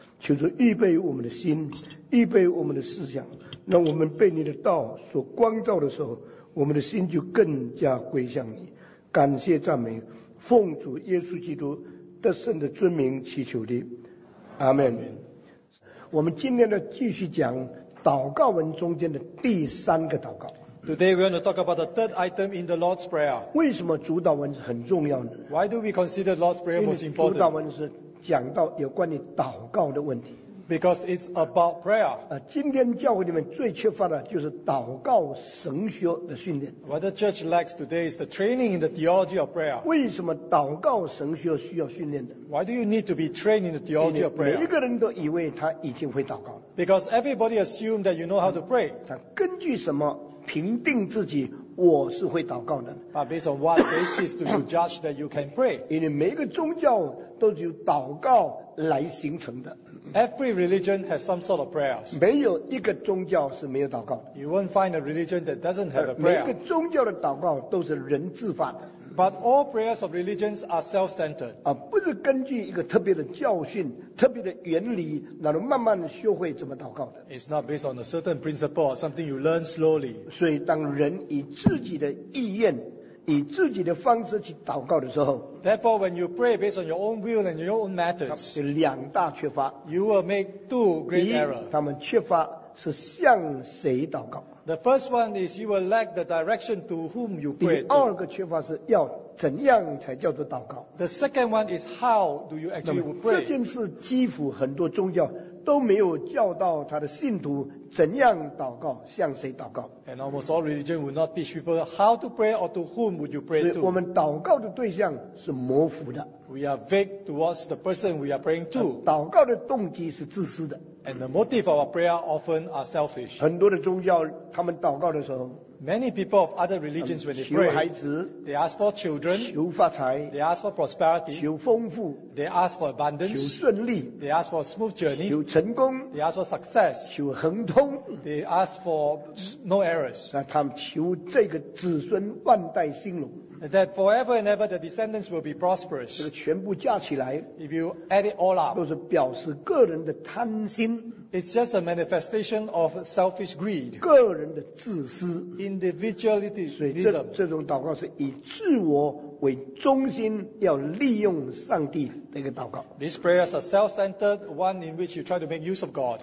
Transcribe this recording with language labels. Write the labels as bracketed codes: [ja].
[zh] 求主预备我们的心，预备我们的思想，让我们被你的道所光照的时候，我们的心就更加归向你。感谢赞美，奉主耶稣基督得胜的尊名祈求的，阿们。我们今天呢继续讲祷告文中间的第三个祷告。 [en] Today we want to talk about the third item in the Lord's Prayer. [zh] 为什么主祷文很重要呢？ [en] Why do we consider Lord's Prayer most important? [zh] 因为主祷文是讲到有关于祷告的问题。 [en] Because it's about prayer. [zh] 今天教会里面最缺乏的就是祷告神学的训练。 [en] What the church lacks today is the training in the theology of prayer. [zh] 为什么祷告神学需要训练的？ [en] Why do you need to be trained in the theology of prayer? [zh] 每一个人都以为他已经会祷告了。 [en] Because everybody assumes that you know how to pray. [zh] 他根据什么评定自己我是会祷告的？ [en] But based on what basis do you judge that you can pray? [zh] 因为每一个宗教都是由祷告来形成的。 [en] Every religion has some sort of prayers. [zh] 没有一个宗教是没有祷告的。 [en] You won't find a religion that doesn't have a prayer. [zh] 每一个宗教的祷告都是人自发的。 [en] But all prayers of religions are self-centered. [zh] 不是根据一个特别的教训、特别的原理，然后慢慢的学会怎么祷告的。 [en] It's not based on a certain principle or something you learn slowly. [zh] 所以当人以自己的意愿以自己的方式去祷告的时候， [en] Therefore, when you pray based on your own will and your own methods, [zh] 有两大缺乏。 [en] You will make two great errors. [zh] 他们缺乏是向谁祷告。 [en] The first one is you will lack the direction to whom you pray. [zh] 第二个缺乏是要怎样才叫做祷告。 [en] The second one is how do you actually pray. [zh] 这件事几乎很多宗教都没有教到他的信徒怎样祷告，向谁祷告。 [en] And almost all religion will not teach people how to pray or to whom would you pray to. [zh] 所以我们祷告的对象是模糊的。 [en] We are vague towards the person we are praying to. [zh] 祷告的动机是自私的。 [en] And the motive of our prayer often are selfish. [zh] 很多的宗教他们祷告的时候， [en] Many people of other religions when they pray, [zh] 求孩子， [en] they ask for children, [zh] 求发财， [en] they ask for prosperity, [zh] 求丰富， [en] they ask for abundance, [zh] 求顺利， [en] they ask for a smooth journey, [zh] 求成功， [en] they ask for success, [zh] 求亨通， [en] they ask for no errors. [zh] 那他们求这个子孙万代兴隆。 [en] That forever and ever the descendants will be prosperous. [zh] 这个全部加起来， [en] if you add it all up, [zh] 都是表示个人的贪心。 [en] It's just a manifestation of selfish greed. [zh] 个人的自私。 [en] Individuality. [zh] 所以 这种祷告是以自我为中心，要利用上帝的一个祷告。 [en] These prayers are self-centered, one in which you try to make use of God.